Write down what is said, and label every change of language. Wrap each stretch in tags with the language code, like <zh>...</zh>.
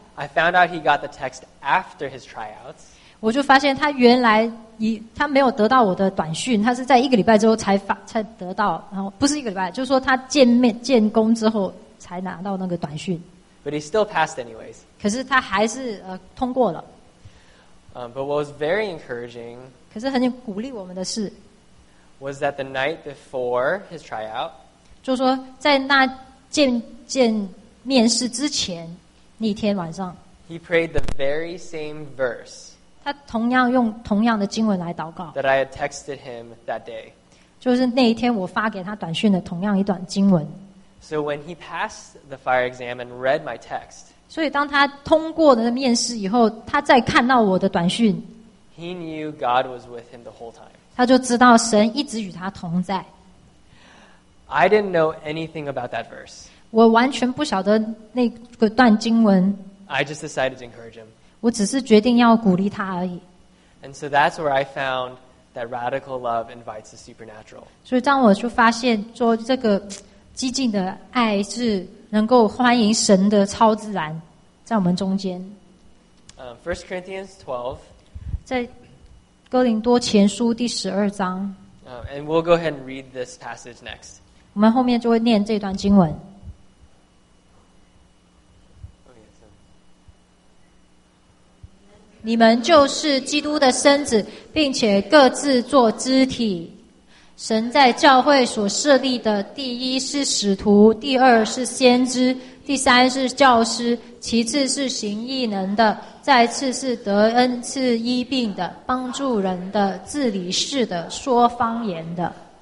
<en>I found out he got the text after his tryouts.</en> <zh>我就发现他原来他没有得到我的短讯，他是在一个礼拜之后才得到，然后不是一个礼拜，就是说他见工之后才拿到那个短讯。</zh> <en>But he still passed anyways.</en> <zh>可是他还是通过了。</zh> <en>But what was very encouraging.</en> <zh>可是很鼓励我们的是。</zh> <en>Was that the night before his tryout?</en> <zh>就是说在那见面试之前。那天晚上</zh> <en>he prayed the very same verse</en> <zh>他同样用同样的经文来祷告</zh> <en>that I had texted him that day</en> <zh>就是那一天我发给他短讯的同样一段经文</zh> <en>so when he passed the fire exam and read my text</en> <zh>所以当他通过了面试以后他再看到我的短讯</zh> <en>he knew God was with him the whole time</en> <zh>他就知道神一直与他同在</zh> <en>I didn't know anything about that verse</en> <zh>我完全不晓得那个段经文。</zh> <en>I just decided to encourage him.</en> <zh>我只是决定要鼓励他而已。</zh> <en>And so that's where I found that radical love invites the supernatural.</en> <zh>所以当我就发现说这个激进的爱是能够欢迎神的超自然在我们中间。</zh> <en>First Corinthians 12.</en> <zh>在哥林多前书第十二章。</zh> <en>And we'll go ahead and read this passage next.</en> <zh>我们后面就会念这段经文。你们就是基督的身子，并且各自做肢体。神在教会所设立的，第一是使徒，第二是先知，第三是教师，其次是行异能的，再次是得恩赐医病的，帮助人的，治理事的，说方言的。</zh>